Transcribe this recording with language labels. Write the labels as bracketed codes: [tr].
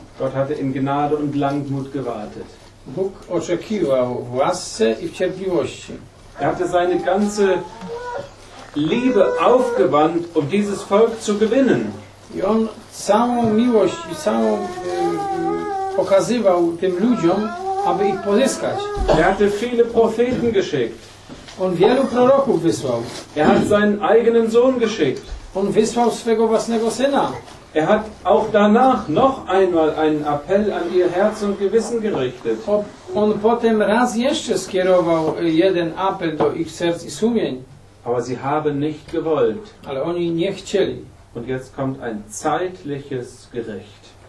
[de] Gott hatte in Gnade und Langmut gewartet. [pl] Bóg oczekiwał w łasce i w cierpliwości. [de] Er hatte seine ganze Liebe aufgewandt, um dieses Volk zu gewinnen. [pl] I on całą miłość i całą pokazywał tym ludziom, aby ich pozyskać. [de] Er hatte viele Propheten geschickt. [pl] On wielu proroków wysłał. [de] Er hat seinen eigenen Sohn geschickt. [pl] On wysłał swego własnego syna. [de] Er hat auch danach noch einmal einen Appell an ihr Herz und Gewissen gerichtet. [pl] On potem raz jeszcze skierował jeden apel do ich serc i sumień. [de] Aber sie haben nicht gewollt. [pl] Ale oni nie chcieli. [de] Und jetzt kommt ein zeitliches Gericht.